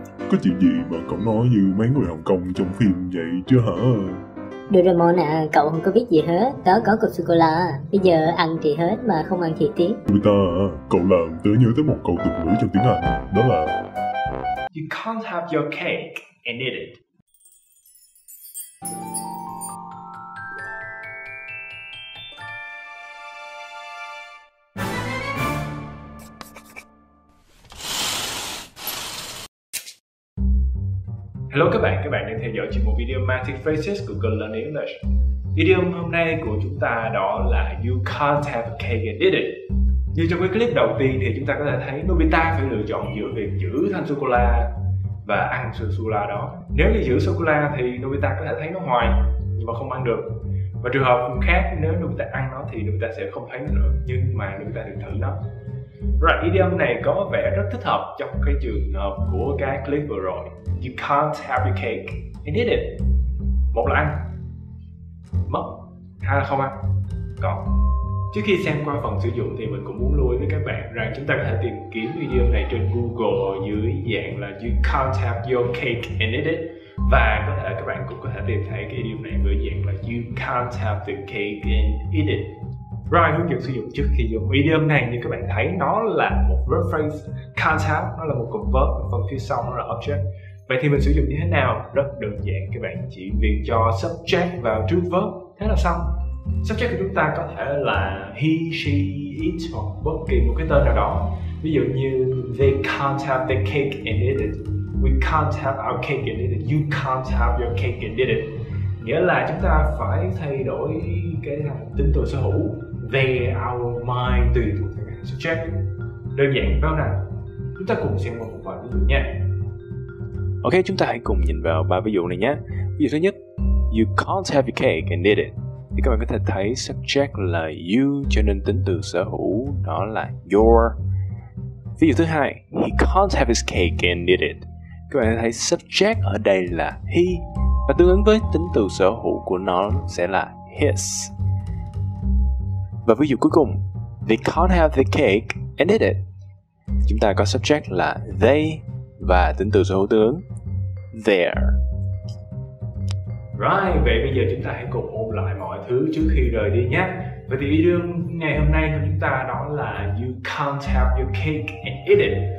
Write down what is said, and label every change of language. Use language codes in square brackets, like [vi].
[vi] Có chuyện gì mà cậu nói như mấy người Hồng Kông trong phim vậy chứ? Doraemon à, cậu không có biết gì hết. Đó có cục sô-cô-la. Bây giờ ăn thì hết mà không ăn thì tiếc. Người ta, cậu làm tớ nhớ tới một câu tục ngữ trong tiếng Anh, đó là [en] You can't have your cake and eat it. [vi] Hello các bạn đang theo dõi chuyên mục Idiomatic Phrases của Go Learn English. Idiom hôm nay của chúng ta đó là [en] You can't have a cake and eat it. [vi] Như trong cái clip đầu tiên thì chúng ta có thể thấy Nobita phải lựa chọn giữa việc giữ thanh sô-cô-la và ăn sô-cô-la đó. Nếu như giữ sô-cô-la thì Nobita có thể thấy nó hoài nhưng mà không ăn được. Và trường hợp khác nếu Nobita ăn nó thì Nobita sẽ không thấy nó nữa, nhưng mà Nobita được thử nó. Right, idiom này có vẻ rất thích hợp trong cái trường hợp của cái clip vừa rồi. [en] You can't have your cake and eat it. [vi] Một là ăn, mất, hai là không ăn, còn. Trước khi xem qua phần sử dụng thì mình cũng muốn lưu ý với các bạn rằng chúng ta có thể tìm kiếm idiom này trên Google dưới dạng là [en] You can't have your cake and eat it. [vi] Và có thể các bạn cũng có thể tìm thấy cái idiom này với dạng là [en] You can't have the cake and eat it. [vi] Right, hướng dẫn sử dụng trước khi dùng idiom này, như các bạn thấy nó là một verb phrase, [en] can't have, [vi] nó là một cụm verb, phần phía sau nó là object. Vậy thì mình sử dụng như thế nào? Rất đơn giản, các bạn chỉ việc cho subject vào trước verb, thế là xong. Subject của chúng ta có thể là he, she, it hoặc bất kỳ một cái tên nào đó. Ví dụ như [en] they can't have their cake and eat it, we can't have our cake and eat it, you can't have your cake and eat it. [vi] Nghĩa là chúng ta phải thay đổi cái tính từ sở hữu they, our, my tùy thuộc vào subject. Đơn giản phải không nào? Chúng ta cùng xem một vài ví dụ nha. Ok, chúng ta hãy cùng nhìn vào ba ví dụ này nhé. Ví dụ thứ nhất, [en] you can't have your cake and eat it. [vi] Thì các bạn có thể thấy subject là you, cho nên tính từ sở hữu đó là your. Ví dụ thứ hai, [en] he can't have his cake and eat it. [vi] Các bạn có thể thấy subject ở đây là he, và tương ứng với tính từ sở hữu của nó sẽ là his. Và ví dụ cuối cùng, [en] they can't have the cake and eat it. [vi] Chúng ta có subject là they và tính từ sở hữu tương ứng there. Right, vậy bây giờ chúng ta hãy cùng ôn lại mọi thứ trước khi rời đi nhé. Vậy thì idiom ngày hôm nay của chúng ta đó là [en] you can't have your cake and eat it.